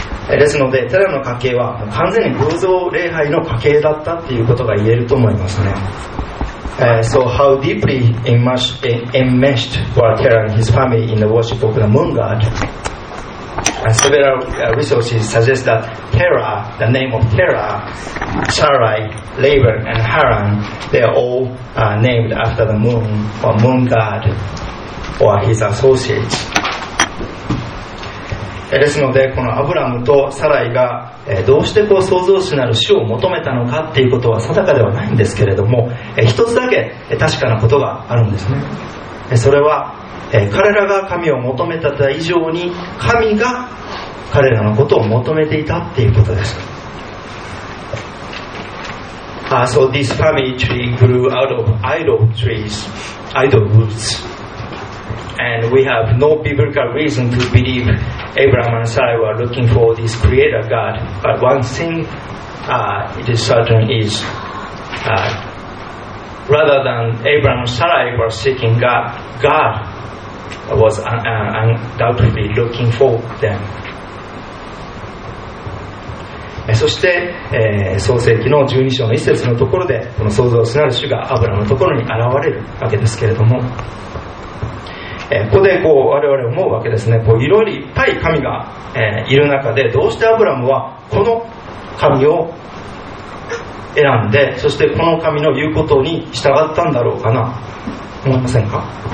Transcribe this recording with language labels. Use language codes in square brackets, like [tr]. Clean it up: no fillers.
[ja] ですので、テラの家系は完全に偶像礼拝の家系だったっていうことが言えると思いますね。 [en] So how deeply enmeshed were Terra and his family in the worship of the moon god? Several resources suggest that Terra, the name of Terra, Sarai, Laban, and Haran, they are all named after the moon or moon god or his associates. [ja] ですので、このアブラムとサライがどうしてこう創造主なる主を求めたのかということは定かではないんですけれども、一つだけ確かなことがあるんですね。それは彼らが神を求めた以上に神が彼らのことを求めていたということです。 [en] So this family tree grew out of idol trees, idol roots. And we have no biblical reason to believe Abraham and Sarai were looking for this creator God. But one thing it is certain is rather than Abraham and Sarai were seeking God, God was undoubtedly looking for them. [ja] そして、創世記の12章の1節のところで、この創造主なる主がアブラムのところに現れるわけですけれども、ここでこう我々思うわけですね。こういろいろいっぱい神がいる中で、どうしてアブラムはこの神を選んで、そしてこの神の言うことに従ったんだろうかな、思いませんか。